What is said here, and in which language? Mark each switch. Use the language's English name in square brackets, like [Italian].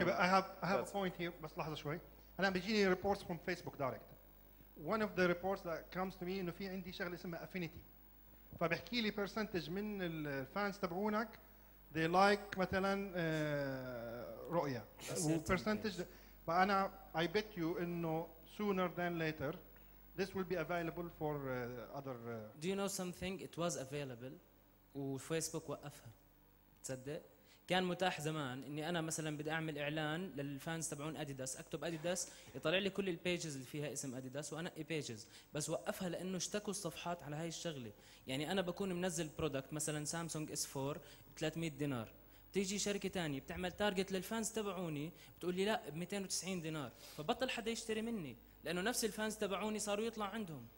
[English] okay بس I have a point here [Arabic] بس لحظه شوي انا بيجيني [English] reports from Facebook direct One of the reports that comes to me [Arabic] إنه في عندي شغلة اسمها [English] affinity. [Arabic] فبحكي لي percentage من الفانز تبعونك [English] they like [Arabic] مثلاً رؤية. [English] Percentage. But [Arabic] أنا [English] I bet you [Arabic] إنه [English] sooner than later this will be available for other. Do you know something? It was available. [Arabic] وفيسبوك وقفها. تصدق؟ كان متاح زمان إني أنا مثلاً بدي أعمل إعلان للفانز تبعون أديداس أكتب أديداس يطلع لي كل البيجز اللي فيها اسم أديداس وأنا إبيجز بس وقفها لأنه اشتكوا الصفحات على هاي الشغلة يعني أنا بكون منزل برودكت مثلاً سامسونج إس 4 300 دينار بتيجي شركة تانية بتعمل تارجت للفانز تبعوني بتقول لي لا 290 دينار فبطل حدا يشتري مني لأنه نفس الفانز تبعوني صاروا يطلع عندهم